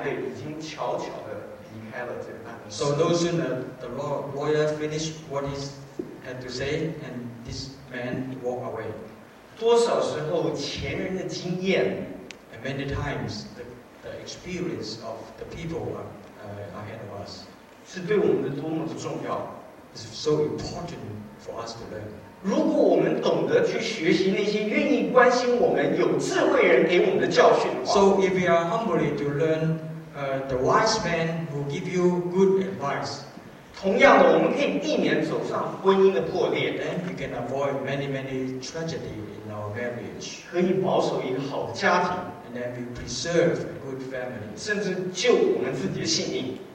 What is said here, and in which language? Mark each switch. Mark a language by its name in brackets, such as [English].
[Chinese] 但是律师还没讲完的时候，这个男的已经悄悄地离开了这个办公室。 [English] So no sooner the lawyer finished what he had to say, and this man walked away. [Chinese] 多少时候前人的经验， [English] And many times the experience of the people ahead of us. [Chinese] 是对我们的多么的重要， [English] It's so important for us to learn. [Chinese] 如果我们懂得去学习那些愿意关心我们、有智慧人给我们的教训的话， [English] So if you are humbly to learn, the wise man will give you good advice. [Chinese] 同样的，我们可以避免走上婚姻的破裂， [English] And you can avoid many tragedy in our marriage. [Chinese] 可以保守一个好家庭， [English] And then we preserve a good family. [Chinese] 甚至救我们自己的性命。